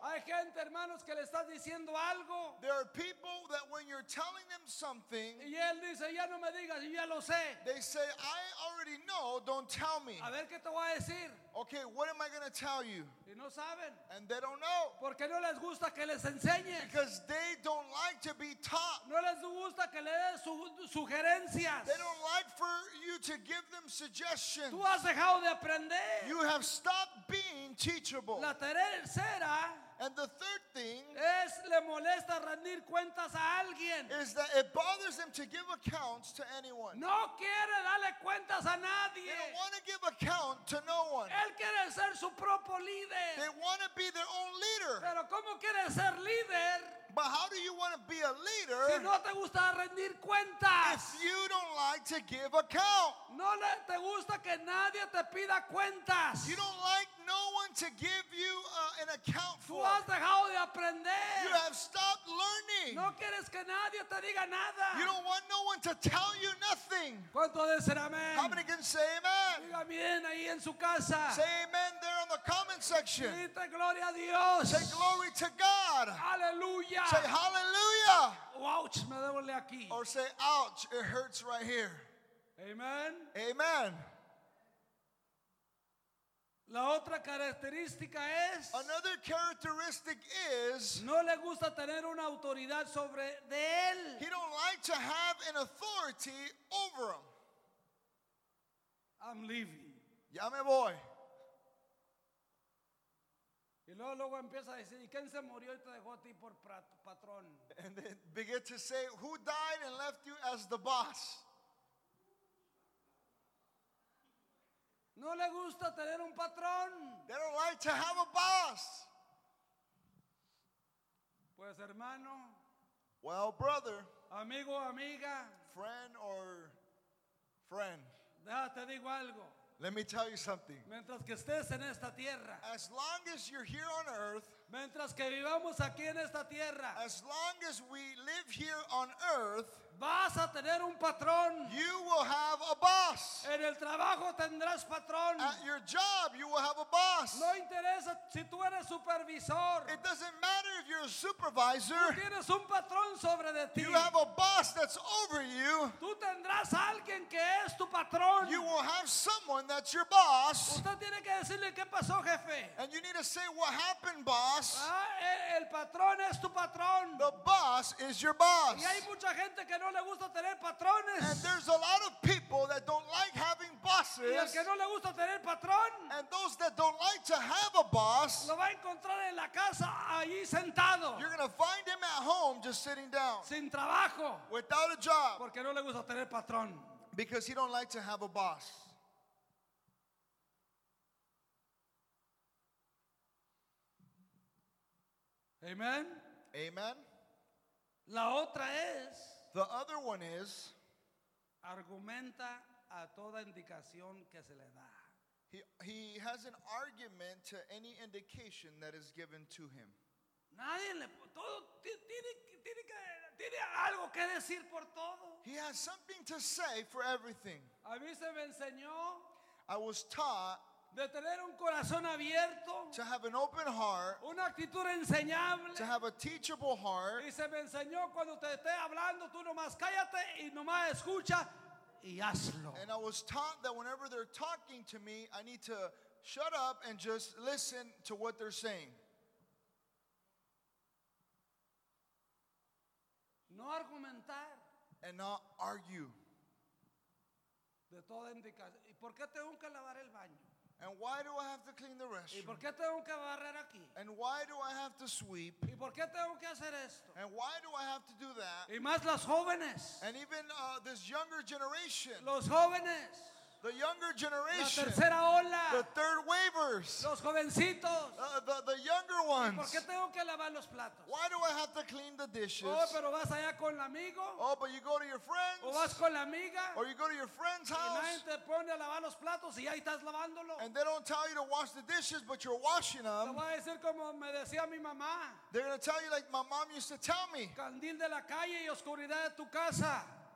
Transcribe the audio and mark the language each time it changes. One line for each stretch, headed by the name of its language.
Spanish: Hay gente, hermanos, que le estás diciendo algo.
English: There are people that when you're telling them something.
Spanish: Y él dice, ya no me digas, yo ya lo sé.
English: They say, I already know, don't tell me.
Spanish: A ver qué te voy a decir.
English: Okay, what am I going to tell you?
Spanish: Y no saben.
English: And they don't know.
Spanish: Porque no les gusta que les enseñes.
English: Because they don't like to be taught.
Spanish: No les gusta que le des sugerencias.
English: They don't like for you to give them suggestions.
Spanish: Tú has dejado de aprender.
English: You have stopped being teachable.
Spanish: La tercera.
English: And the third thing.
Spanish: Es le molesta rendir cuentas a alguien.
English: Is that it bothers them to give accounts to anyone.
Spanish: No quiere darle cuentas a nadie.
English: They don't want to give account to no one.
Spanish: Él quiere ser su propio líder.
English: They want to be their own leader.
Spanish: Pero cómo quiere ser líder.
English: But how do you want to be a leader
Spanish: si no te gusta rendir cuentas?
English: If you don't like to give account?
Spanish: No le te gusta que nadie te pida cuentas.
English: You don't like no one to give you an account for.
Spanish: Tú has dejado de aprender.
English: You have stopped learning.
Spanish: No quieres que nadie te diga nada.
English: You don't want no one to tell you nothing.
Spanish: ¿Cuánto dicen amén?
English: How many can say amen?
Spanish: Diga bien ahí en su casa.
English: Say amen there on the comment section.
Spanish: Dite gloria a Dios.
English: Say glory to God.
Spanish: Aleluya.
English: Say hallelujah.
Spanish: Ouch, me duele aquí.
English: Or say ouch, it hurts right here.
Spanish: Amen.
English: Amen.
Spanish: La otra característica es.
English: Another characteristic is.
Spanish: No le gusta tener una autoridad sobre de él.
English: He don't like to have an authority over him. I'm leaving.
Spanish: Ya me voy. Y luego empieza a decir, ¿y quién se murió y te dejó a ti por patrón?
English: And then begin to say, who died and left you as the boss?
Spanish: No le gusta tener un patrón.
English: They don't like to have a boss.
Spanish: Pues hermano.
English: Well, brother.
Spanish: Amigo, amiga.
English: Friend or friend.
Spanish: Déjate digo algo.
English: Let me tell you something.
Spanish: Mientras que estés en esta tierra,
English: as long as you're here on earth,
Spanish: Mientras que vivamos aquí en esta tierra,
English: as long as we live here on earth,
Spanish: vas a tener un patrón.
English: You will have a boss.
Spanish: En el trabajo tendrás patrón.
English: At your job, you will have a boss.
Spanish: No interesa si tú eres supervisor.
English: It doesn't matter if you're a supervisor.
Spanish: Tú tienes un patrón sobre de ti.
English: You have a boss that's over you.
Spanish: Tú tendrás alguien que es tu patrón.
English: You will have someone that's your boss.
Spanish: Usted tiene que decirle qué pasó, jefe.
English: And you need to say, what happened, boss?
Spanish: Ah, el patrón es tu patrón.
English: The boss is your boss.
Spanish: Y hay mucha gente que no le gusta tener patrones.
English: And there's a lot of people that don't like having bosses.
Spanish: Y el que no le gusta tener patrón,
English: and those that don't like to have a boss,
Spanish: lo va a encontrar en la casa allí sentado.
English: You're going to find him at home just sitting down.
Spanish: Sin trabajo.
English: Without a job.
Spanish: Porque no le gusta tener patrón.
English: Because he don't like to have a boss.
Spanish: Amen.
English: Amen.
Spanish: La otra es,
English: the other one is,
Spanish: argumenta a toda indicación que se le da.
English: He has an argument to any indication that is given to him.
Spanish: Nadie le, todo, tiene algo que decir por todo.
English: He has something to say for everything.
Spanish: A mí se me enseñó,
English: I was taught,
Spanish: de tener un corazón abierto,
English: to have an open heart,
Spanish: una actitud enseñable,
English: to have a teachable heart.
Spanish: Y se me enseñó, cuando te esté hablando, tú nomás cállate y nomás escucha y hazlo.
English: And I was taught that whenever they're talking to me, I need to shut up and just listen to what they're saying.
Spanish: No argumentar.
English: And not argue.
Spanish: De toda indicación. ¿Y por qué tengo que lavar el baño?
English: And why do I have to clean the restroom?
Spanish: ¿Y por qué tengo que barrer aquí?
English: And why do I have to sweep?
Spanish: ¿Y por qué tengo que hacer esto?
English: And why do I have to do that?
Spanish: Y más las jóvenes.
English: And even this younger generation.
Spanish: Los jóvenes.
English: The younger generation.
Spanish: La tercera ola.
English: The third waivers.
Spanish: Los jovencitos.
English: The younger ones.
Spanish: ¿Y por qué tengo que lavar los platos?
English: Why do I have to clean the dishes?
Spanish: Oh, pero vas allá con el amigo.
English: Oh, but you go to your friends.
Spanish: O vas con la amiga.
English: Or you go to your friend's house.
Spanish: Y nadie te pone a lavar los platos y ahí estás lavándolo.
English: And they don't tell you to wash the dishes, but you're washing them.
Spanish: Te voy a decir como me decía mi mamá.
English: They're going to tell you like my mom used to tell me.
Spanish: Candil de la calle y oscuridad de tu casa.